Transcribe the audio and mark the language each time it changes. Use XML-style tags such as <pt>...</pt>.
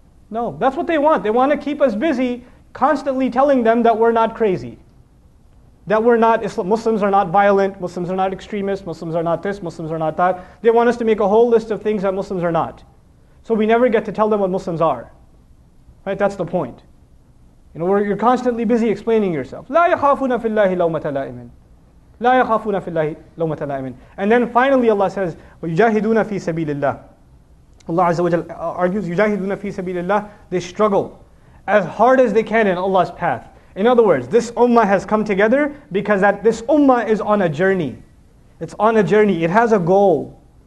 <en>That's what they want. They want to keep us busy constantly telling them that we're not crazy. That we're not, Muslims are not violent, Muslims are not extremists, Muslims are not this, Muslims are not that. They want us to make a whole list of things that Muslims are not. So we never get to tell them what Muslims are. Right? That's the point. You know, you're constantly busy explaining yourself.</en> <ar>لا يخافون في الله لومة لائم. لا يخافون في الله لومة لائم.</ar> <en>And then finally Allah says, ويجاهدون في سبيل الله. Allah Azza wa Jal argues, يجاهدون في سبيل الله. They struggle as hard as they can in Allah's path. In other words, this ummah has come together because that this ummah is on a journey. It's on a journey. It has a goal.</en>